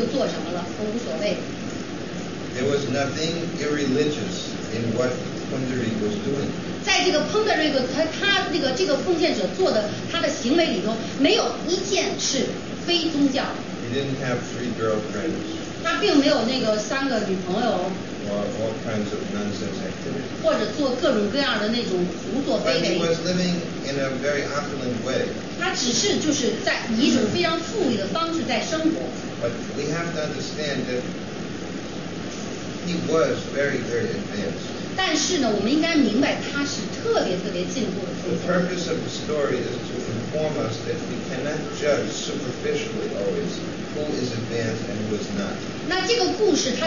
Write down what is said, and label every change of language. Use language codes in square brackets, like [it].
[zh] 那我们听了这个故事以后，我们千万不要因此而迷惑了，就想好吧，那我到时候想做什么就做什么了，都无所谓。There [en] was nothing irreligious in what Pundarik was doing. [zh] 在这个彭德瑞克他那个这个奉献者做的他的行为里头，没有一件是非宗教。He [en] didn't have three girlfriends. [zh] 他并没有那个三个女朋友。 [en] All kinds of nonsense activity. [zh] 或者做各种各样的那种胡作非为。But [en] he was living in a very opulent way. [zh] 他只是就是在以一种非常富裕的方式在生活。But [en] we have to understand that he was very, very advanced. [zh] 但是呢，我们应该明白他是特别特别进步的。The [en] purpose of the story is to inform us that we cannot judge superficially always who is advanced and who is not.